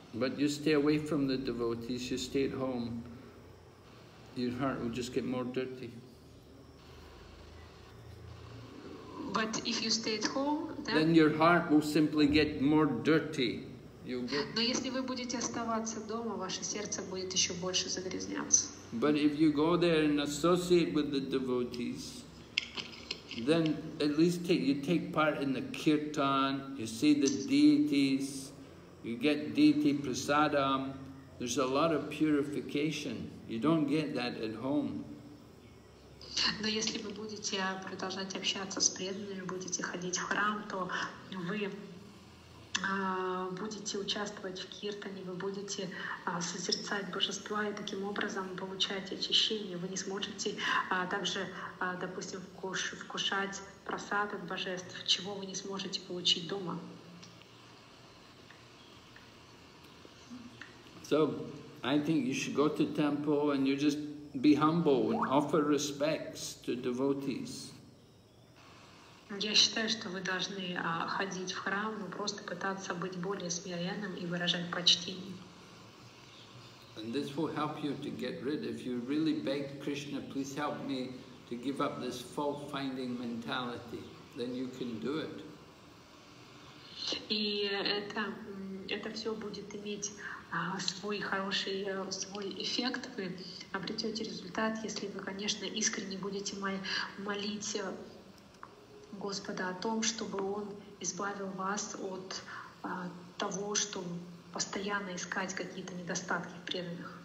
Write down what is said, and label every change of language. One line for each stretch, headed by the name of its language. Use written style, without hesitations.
English: But you stay away from the devotees, you stay at home, your heart will just get more dirty. But if you stay at home, then your heart will simply get more dirty.
Russian: Но если вы будете оставаться дома, ваше сердце будет еще больше загрязняться.
English: But if you go there and associate with the devotees, then at least you take part in the kirtan, you see the deities, you get deity prasadam, there's a lot of purification. You don't get that at home.
Russian: Но если вы будете продолжать общаться с преданными, будете ходить в храм, то вы будете участвовать в киртане, вы будете созерцать божества и таким образом получать очищение. Вы не сможете также, допустим, вкушать прасад от божеств, чего вы не сможете получить дома.
English: So, I think you should go to temple and you just be humble and offer respects to devotees.
Russian: Я считаю, что вы должны ходить в храм, но просто пытаться быть более смиренным и выражать почтение.
English: And this will help you to get rid. If you really beg Krishna, please help me to give up this fault-finding mentality, then you can do it.
Russian: И это все будет иметь свой хороший свой эффект. Вы обретете результат, если вы, конечно, искренне будете молить Господа о том, чтобы Он избавил вас от того, что постоянно искать какие-то недостатки в преданных.